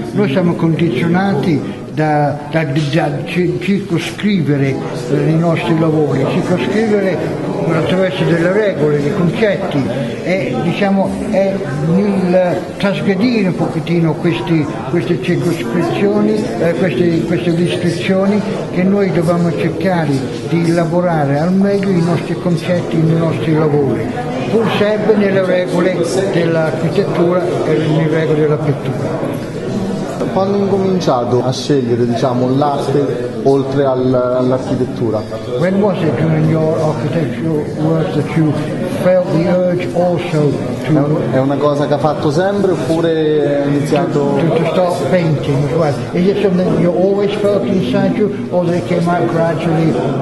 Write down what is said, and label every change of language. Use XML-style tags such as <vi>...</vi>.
<it>Noi siamo condizionati da circoscrivere i nostri lavori, circoscrivere attraverso delle regole, dei concetti, e diciamo è nel trasgredire un pochettino queste circoscrizioni, queste restrizioni, che noi dobbiamo cercare di elaborare al meglio i nostri concetti, i nostri lavori, pur sempre nelle regole dell'architettura e nelle regole della pittura. Quando ho incominciato a scegliere, diciamo, l'arte oltre all'architettura?</it> <en>When was it during your architectural work that you felt the urge also to...</en> <it>È una cosa che ha fatto sempre oppure ha iniziato...</it> <en>To start painting as well. Is it something you always felt inside you or that it came out gradually?</en>